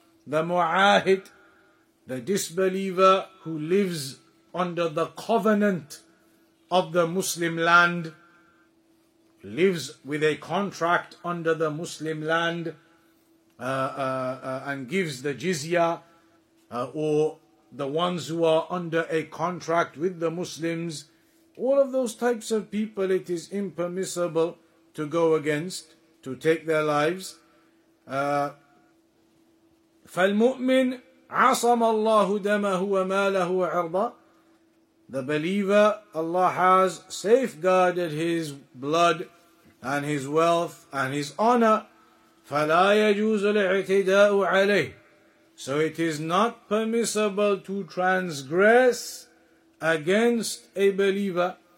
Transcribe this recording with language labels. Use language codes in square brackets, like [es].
[en] The mu'ahid, the disbeliever who lives under the covenant of the Muslim land, lives with a contract under the Muslim land, and gives the jizya, or the ones who are under a contract with the Muslims, all of those types of people it is impermissible to go against, to take their lives. [ar] فالمؤمن عصم الله دمه وماله وعرضه. [en] The believer, Allah has safeguarded his blood and his wealth and his honor. [ar] فلا يجوز الاعتداء عليه. [en] So it is not permissible to transgress against a believer.